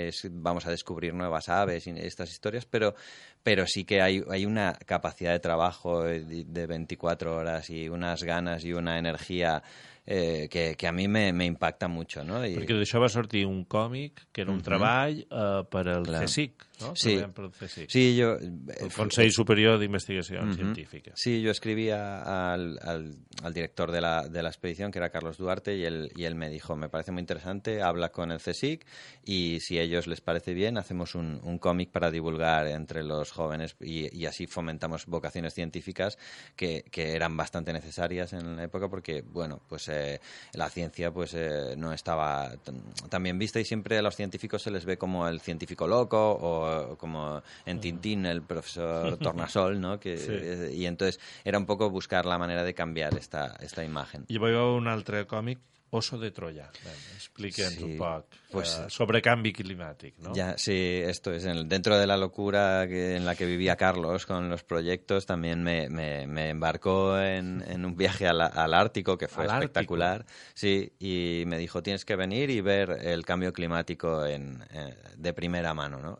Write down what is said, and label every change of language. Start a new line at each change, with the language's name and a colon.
Spanish: vamos a descubrir nuevas aves y estas historias, pero sí que hay una capacidad de trabajo de 24 horas y unas ganas y una energía que a mí me impacta mucho, ¿no?
Catalan: I... Perquè d'això va sortir un còmic que era un treball per al CSIC, no? Sí. Sí, el Consell Superior d'Investigació Científica.
Spanish: Sí,
Catalan: jo escrivia al director
Spanish: de la expedición, que era Carlos Duarte, y él me dijo, me parece muy interesante, habla con el CSIC, y si a ellos les parece bien, hacemos un còmic para divulgar entre los jóvenes y así fomentamos vocaciones científicas que eran bastante necesarias en la época, porque, bueno, la ciencia no estaba tan bien vista, y siempre a los científicos se les ve como el científico loco o como en Tintín el profesor Tornasol, ¿no? Y entonces era un poco buscar la manera de cambiar esta imagen. Y voy a
Catalan: un altre còmic, Oso de Troya. Expliquem-nos un poc sobre canvi climàtic, no?
Spanish: Ja, sí, esto es dentro de la locura en la que vivía Carlos con los proyectos, también me embarcó en un viaje al Ártico, que fue espectacular. Ártico. Sí, y me dijo, tienes que venir y ver el cambio climático de primera mano, ¿no?